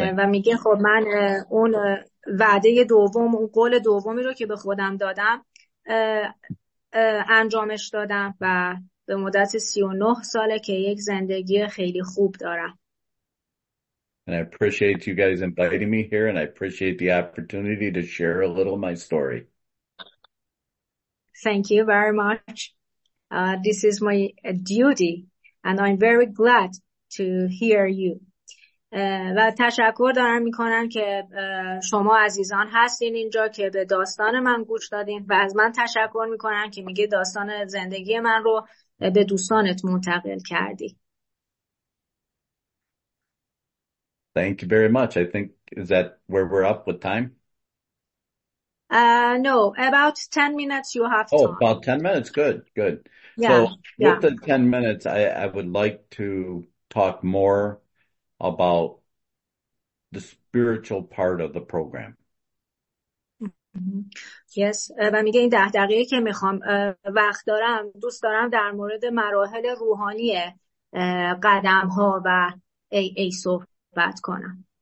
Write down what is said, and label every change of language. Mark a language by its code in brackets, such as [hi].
[fa] و میگه خب من اون وعده دوم، اون قول دومی رو که به خودم دادم انجامش دادم و به مدت 39 ساله که یک زندگی خیلی خوب دارم. [en] And I appreciate you guys inviting me here and I appreciate the opportunity to share a little of my story. Thank you very much. This is my duty and I'm very glad to hear you. [fa] و تشکر دارم میکنم که شما عزیزان هستین اینجا که به داستان من گوش دادین و از من تشکر میکنم که میگه داستان زندگی من رو به دوستانت منتقل کردی. [en] Thank you very much. I think, is that where we're up with time? No, about 10 minutes you have time. Oh, about 10 minutes, good. Yeah. So with the 10 minutes, I would like to talk more about the spiritual part of the program. Mm-hmm. Yes, [fa] و میگه این 10 دقیقه که میخوام وقت دارم دوست دارم در مورد مراحل روحانی قدم ها و AA صحبت کنم.